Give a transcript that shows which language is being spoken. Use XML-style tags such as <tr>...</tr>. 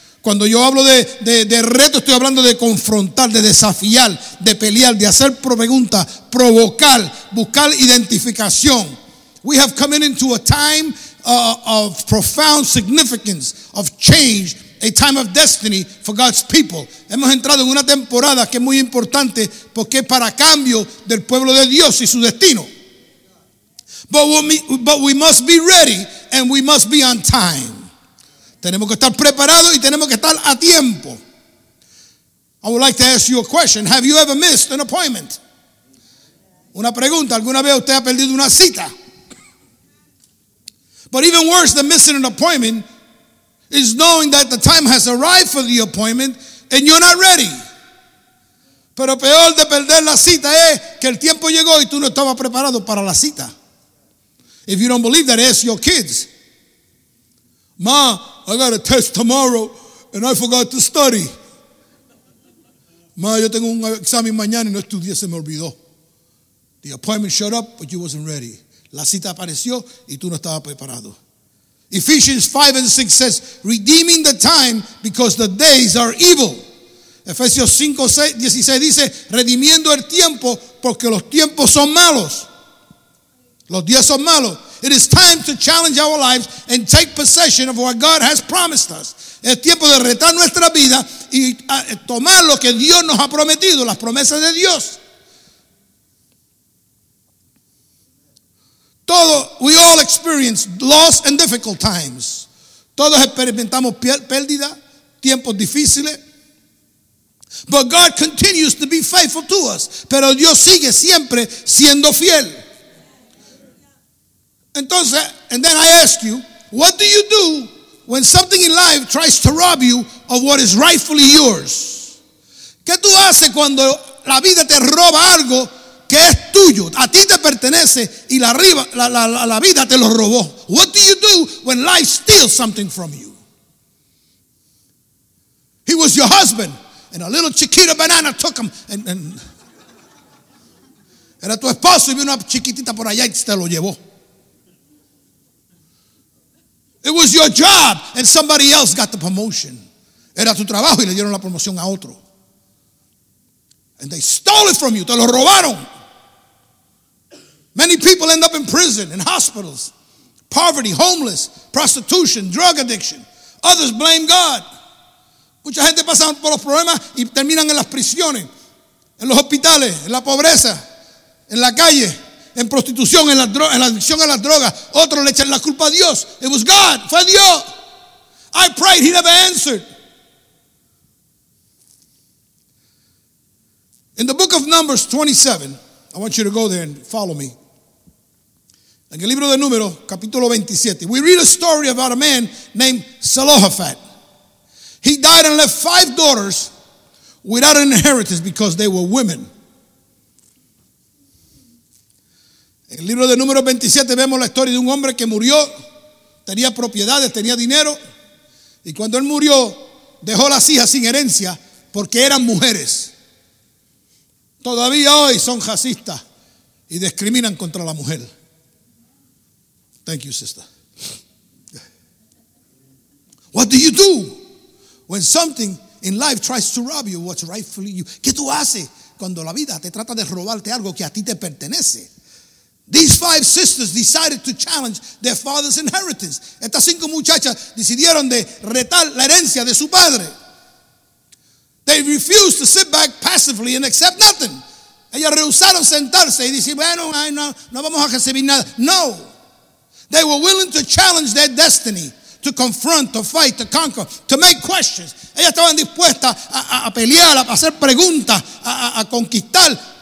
<es>Cuando yo hablo de reto, estoy hablando de confrontar, de desafiar, de pelear, de hacer preguntas, provocar, buscar identificación.</es> <en>We have come into a time of profound significance, of change, a time of destiny for God's people.</en> <es>Hemos entrado en una temporada que es muy importante porque es para cambio del pueblo de Dios y su destino.</es> <en>But we must be ready and we must be on time.</en> <es>Tenemos que estar preparados y tenemos que estar a tiempo.</es> <en>I would like to ask you a question. Have you ever missed an appointment?</en> <es>Una pregunta. ¿Alguna vez usted ha perdido una cita?</es> <en>But even worse than missing an appointment is knowing that the time has arrived for the appointment and you're not ready.</en> <es>Pero peor de perder la cita es que el tiempo llegó y tú no estabas preparado para la cita.</es> <en>If you don't believe that, ask your kids. Ma, I got a test tomorrow and I forgot to study.</en> <es>Ma, yo tengo un examen mañana y no estudié, se me olvidó.</es> <en>The appointment showed up, but you wasn't ready.</en> <es>La cita apareció y tú no estabas preparado.</es> <en>Ephesians 5 and 6 says, redeeming the time because the days are evil.</en> <es>Efesios 5, 16 dice, redimiendo el tiempo porque los tiempos son malos. Los días son malos.</es> <en>It is time to challenge our lives and take possession of what God has promised us.</en> <es>Es tiempo de retar nuestra vida y tomar lo que Dios nos ha prometido, las promesas de Dios.</es> <en>We all experience loss and difficult times.</en> <es>Todos experimentamos pérdida, tiempos difíciles.</es> <en>But God continues to be faithful to us.</en> <es>Pero Dios sigue siempre siendo fiel.</es> <en>Entonces, and then I ask you, what do you do when something in life tries to rob you of what is rightfully yours?</en> <es>¿Qué tú haces cuando la vida te roba algo que es tuyo, a ti te pertenece y la vida te lo robó?</es> <en>What do you do when life steals something from you? He was your husband and a little chiquita banana took him and</en> <es>era tu esposo y vino una chiquitita por allá y te lo llevó.</es> <en>It was your job and somebody else got the promotion.</en> <es>Era tu trabajo y le dieron la promoción a otro.</es> <en>And they stole it from you,</en> <es>te lo robaron.</es> <en>Many people end up in prison, in hospitals, poverty, homeless, prostitution, drug addiction. Others blame God.</en> <es>Mucha gente pasa por los problemas y terminan en las prisiones, en los hospitales, en la pobreza, en la calle, en prostitución, en la adicción a las drogas. Otros le echan la culpa a Dios.</es> <en>It was God.</en> <es>Fue Dios.</es> <en>I prayed. He never answered. In the book of Numbers 27, I want you to go there and follow me.</en> <es>En el libro de Números, capítulo 27,</es> <en>we read a story about a man named Zelophehad. He died and left five daughters without an inheritance because they were women.</en> <es>En el libro de Números 27 vemos la historia de un hombre que murió, tenía propiedades, tenía dinero, y cuando él murió, dejó las hijas sin herencia porque eran mujeres. Todavía hoy son racistas y discriminan contra la mujer.</es> <en>Thank you, sister. What do you do when something in life tries to rob you what's rightfully you?</en> <es>¿Qué tú haces cuando la vida te trata de robarte algo que a ti te pertenece?</es> <en>These five sisters decided to challenge their father's inheritance.</en> <es>Estas cinco muchachas decidieron de retar la herencia de su padre.</es> <en>They refused to sit back passively and accept nothing.</en> <es>Ellas rehusaron sentarse y decir, bueno, ay, no, no vamos a recibir nada. No.</es> <en>They were willing to challenge their destiny, to confront, to fight, to conquer, to make questions.</en> <es>Ellas estaban dispuestas a pelear, a hacer preguntas, a conquistar.</es>